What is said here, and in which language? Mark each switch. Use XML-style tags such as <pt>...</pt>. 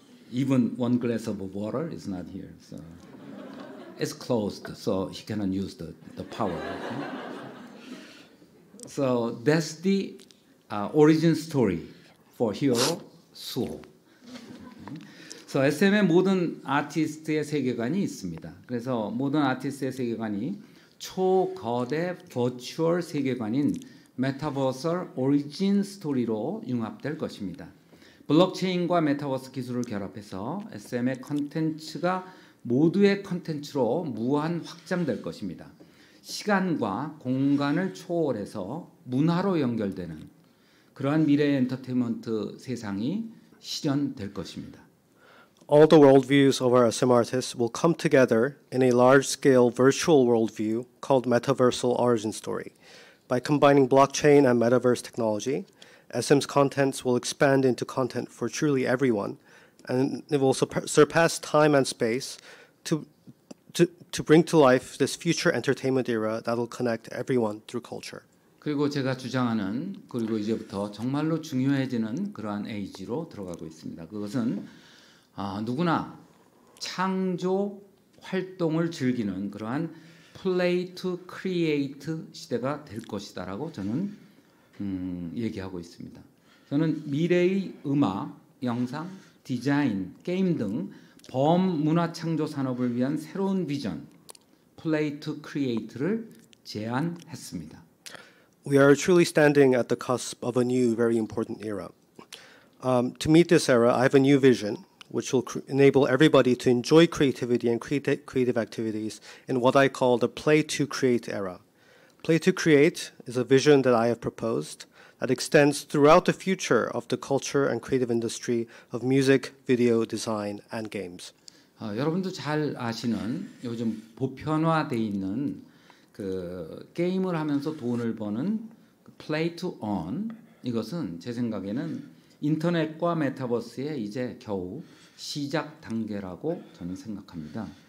<en>Even one glass of water is not here, so it's closed, so he cannot use the power. Okay? So that's the origin story for Hero Suho. Okay?</en> <ko>So SM의 모든 아티스트의 세계관이 있습니다. 그래서 모든 아티스트의 세계관이 초거대 virtual 세계관인 Metaversal Origin Story로 융합될 것입니다. 블록체인과 메타버스 기술을 결합해서 SM의 콘텐츠가 모두의 콘텐츠로 무한 확장될 것입니다. 시간과 공간을 초월해서 문화로 연결되는 그러한 미래의 엔터테인먼트 세상이 실현될 것입니다.</ko> <en>All the worldviews of our SM artists will come together in a large-scale virtual worldview called Metaversal Origin Story. by combining blockchain and metaverse technology. SM's contents will expand into content for truly everyone, and it will surpass time and space to bring to life this future entertainment era that will connect everyone through culture.</en> <ko>그리고 제가 주장하는 그리고 이제부터 정말로 중요해지는 그러한 에이지로 들어가고 있습니다. 그것은 누구나 창조 활동을 즐기는 그러한 play to create 시대가 될 것이다라고 저는 얘기하고 있습니다. 저는 미래의 음악, 영상, 디자인, 게임 등 범문화 창조 산업을 위한 새로운 비전, play to create를 제안했습니다.</ko> <en>We are truly standing at the cusp of a new, very important era. To meet this era, I have a new vision, which will enable everybody to enjoy creativity and creative activities in what I call the play to create era. Play to create is a vision that I have proposed that extends throughout the future of the culture and creative industry of music, video, design, and games.</en> <ko>여러분도 잘 아시는 요즘 보편화되어 있는 그 게임을 하면서 돈을 버는 play to earn 이것은 제 생각에는 인터넷과 메타버스의 이제 겨우 시작 단계라고 저는 생각합니다.</ko>